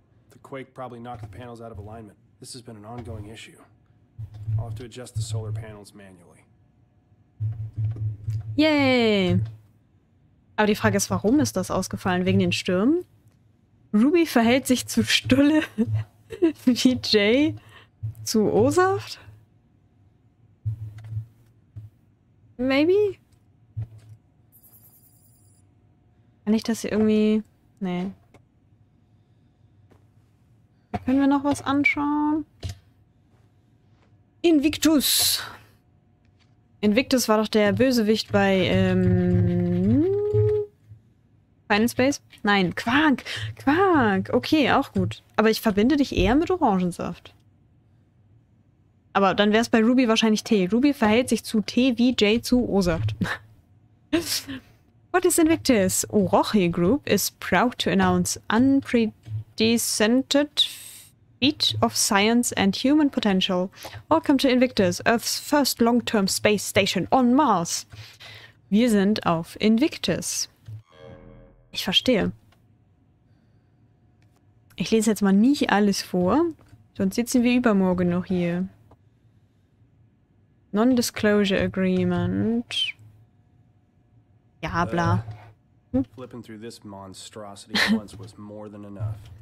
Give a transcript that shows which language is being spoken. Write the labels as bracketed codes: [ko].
[en] The quake probably knocked the panels out of alignment. This has been an ongoing issue. I'll have to adjust the solar panels manually. Yay! [de] Aber die Frage ist, warum ist das ausgefallen? Wegen den Stürmen? Ruby verhält sich zu Stulle wie Jay zu O-Saft? [en] Maybe? [de] Kann ich das hier irgendwie... Nee. Können wir noch was anschauen? Invictus! Invictus war doch der Bösewicht bei, Final Space? Nein, Quark! Quark! Okay, auch gut. Aber ich verbinde dich eher mit Orangensaft. Aber dann wäre es bei Ruby wahrscheinlich Tee. Ruby verhält sich zu Tee wie Jay zu O-Saft. [en] What is Invictus? Orochi Group is proud to announce unprecedented feat of science and human potential. Welcome to Invictus, Earth's first long-term space station on Mars. [de] Wir sind auf Invictus. Ich verstehe. Ich lese jetzt mal nicht alles vor, sonst sitzen wir übermorgen noch hier. [en] Non-Disclosure Agreement. [de] Ja, bla. [en] Flipping through this monstrosity once was more than enough.